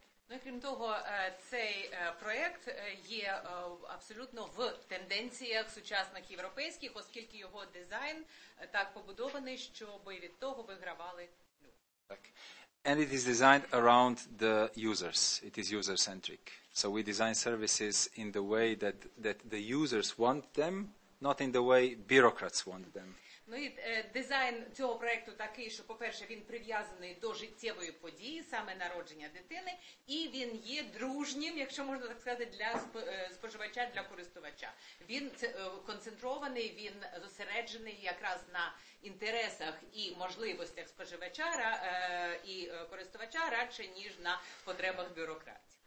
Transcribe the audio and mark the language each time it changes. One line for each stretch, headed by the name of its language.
Ukrainian: Ну, крім того, цей проєкт є абсолютно в тенденціях сучасних європейських, оскільки його дизайн так побудований, щоб від того вигравали люди. Так.
English: And it is designed around the users. It is user-centric. So we design services in the way that the users want them, not in the way bureaucrats want them.
Ukrainian: Ну і дизайн цього проєкту такий, що, по-перше, він прив'язаний до життєвої події, саме народження дитини, і він є дружнім, якщо можна так сказати, для споживача, для користувача. Він концентрований, він зосереджений якраз на інтересах і можливостях споживача і користувача, радше, ніж на потребах бюрократів.